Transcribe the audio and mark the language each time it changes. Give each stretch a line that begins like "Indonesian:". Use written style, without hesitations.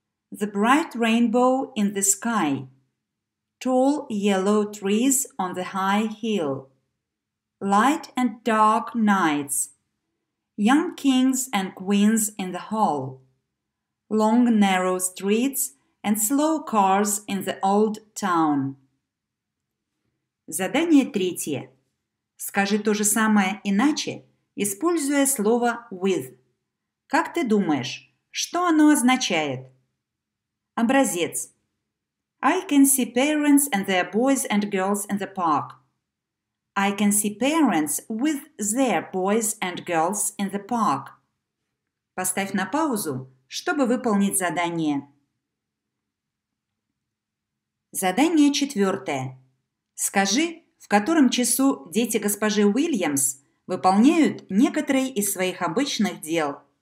English: The bright rainbow in the sky. Tall yellow trees on the high hill. Light and dark nights. Young kings and queens in the hall. Long narrow streets and slow cars in the old town.
Russian: Задание третье. Скажи то же самое иначе, используя слово with. Как ты думаешь, что оно означает? Образец.
English: I can see parents and their boys and girls in the park. I can see parents with their boys and girls in the park.
Russian: Поставь на паузу, чтобы выполнить задание. Задание четвертое. Скажи, в котором часу дети госпожи Уильямс выполняют некоторые из своих обычных дел.